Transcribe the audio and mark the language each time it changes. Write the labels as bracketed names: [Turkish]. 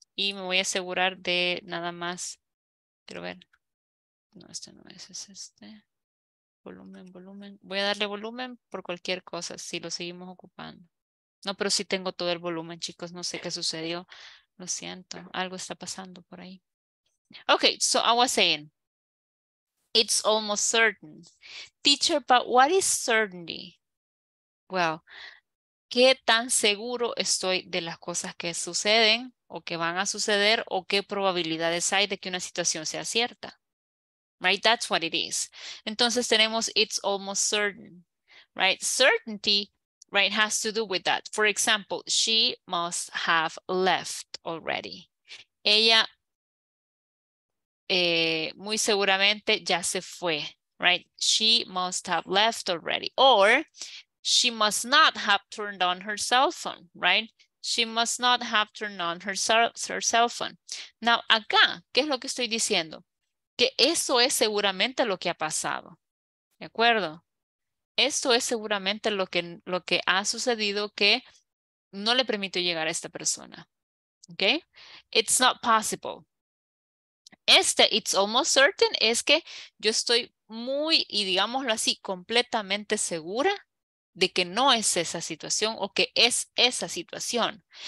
[Spanish] Y me voy a asegurar de nada más. Quiero ver. No, este no es, es este. Volumen, volumen. Voy a darle volumen por cualquier cosa, si lo seguimos ocupando. No, pero sí tengo todo el volumen, chicos. No sé qué sucedió. Lo siento. Algo está pasando por ahí. [English] Okay, so I was saying, it's almost certain. Teacher, but what is certainty? [Spanish] Well, ¿qué tan seguro estoy de las cosas que suceden o que van a suceder o qué probabilidades hay de que una situación sea cierta? [English] Right, that's what it is. [Spanish] Entonces tenemos [English] it's almost certain, right? Certainty, right, has to do with that. For example, she must have left already. [Spanish] Ella muy seguramente ya se fue, right? [English] She must have left already. Or she must not have turned on her cell phone, right? She must not have turned on her cell phone. [Spanish] Now, acá, ¿qué es lo que estoy diciendo? Que eso es seguramente lo que ha pasado. ¿De acuerdo? Esto es seguramente lo que ha sucedido que no le permitió llegar a esta persona. ¿Ok? [English] It's not possible. [Spanish] Este [English] it's almost certain [Spanish] es que yo estoy muy, y digámoslo así, completamente segura de que no es esa situación o que es esa situación.